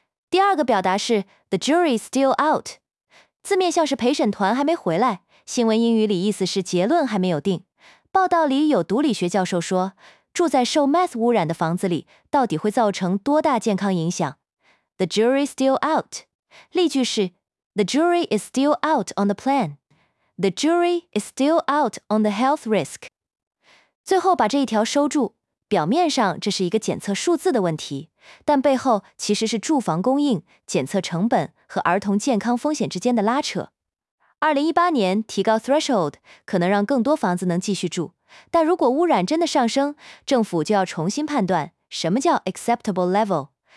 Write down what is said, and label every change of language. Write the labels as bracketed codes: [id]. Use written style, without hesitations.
[zh] 第二个表达是 [en] the jury is still out, [zh] 字面像是陪审团还没回来，新闻英语里意思是结论还没有定。报道里有毒理学教授说，住在受 meth 污染的房子里到底会造成多大健康影响？ [en] The jury is still out. 例句是 The jury is still out on the plan. The jury is still out on the health risk. [zh] 最后把这一条收住，表面上这是一个检测数字的问题，但背后其实是住房供应、检测成本和儿童健康风险之间的拉扯。 2018年提高 threshold 可能让更多房子能继续住，但如果污染真的上升，政府就要重新判断什么叫 [en] acceptable level。